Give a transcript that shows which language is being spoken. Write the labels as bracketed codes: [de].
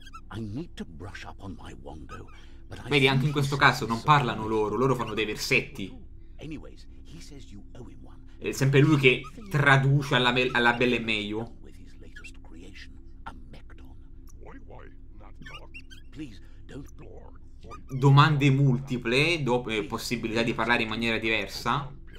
[en] I need to brush up on my Wongo. [it] Vedi, anche in questo caso non parlano loro, loro fanno dei versetti. [en] Anyways, he says you owe him one. [it] È sempre lui che traduce alla belle meglio. [en] With his latest creation, a Mecton. Why not? Please don't bore. [it] Domande multiple, dopo possibilità di parlare in maniera diversa.